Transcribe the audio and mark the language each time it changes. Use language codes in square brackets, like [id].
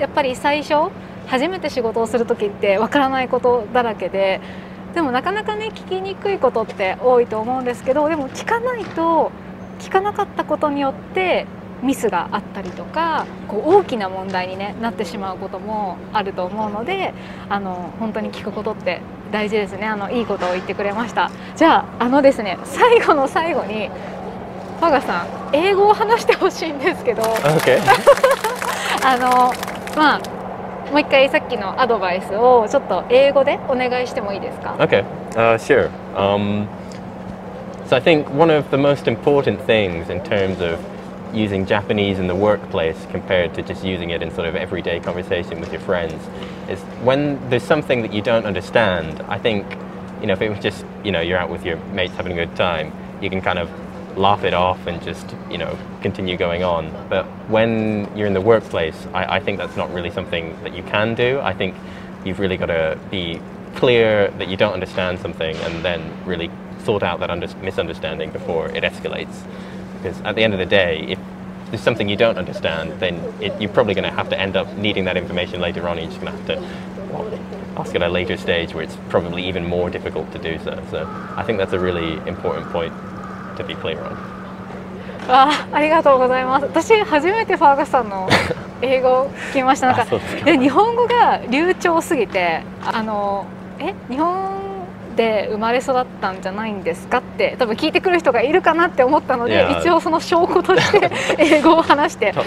[ja] やっぱり最初初めて仕事をするときってわからないことだらけで、でもなかなかね聞きにくいことって多いと思うんですけど、でも聞かないと、聞かなかったことによってミスがあったりとか、こう大きな問題に、ね、なってしまうこともあると思うので、あの本当に聞くことって大事ですね。あのいいことを言ってくれました。じゃあ、あのですね、最後の最後にファガさん英語を話してほしいんですけど、 [en] okay. [ja] あの、まあ、もう一回さっきのアドバイスをちょっと英語でお願いしてもいいですか？ [en] OK、sure、So I think one of the most important things in terms of using Japanese in the workplace compared to just using it in sort of everyday conversation with your friends is when there's something that you don't understand, I think, you know, if it was just, you know, you're out with your mates having a good time, you can kind of laugh it off and just, you know, continue going on. But when you're in the workplace, I think that's not really something that you can do. I think you've really got to be clear that you don't understand something and then really sort out that misunderstanding before it escalates. Because at the end of the day, if there's something you don't understand, then you're probably going to have to end up needing that information later on. You're just going to have to ask at a later stage where it's probably even more difficult to do so. So I think that's a really important point to be clear on. [ja] ありがとうございます。私初めてファーガスさんの英語聞きました。なんか、日本語が流暢すぎて、日本で生まれ育ったんじゃないんですかって多分聞いてくる人がいるかなって思ったので一応その証拠として英語を話して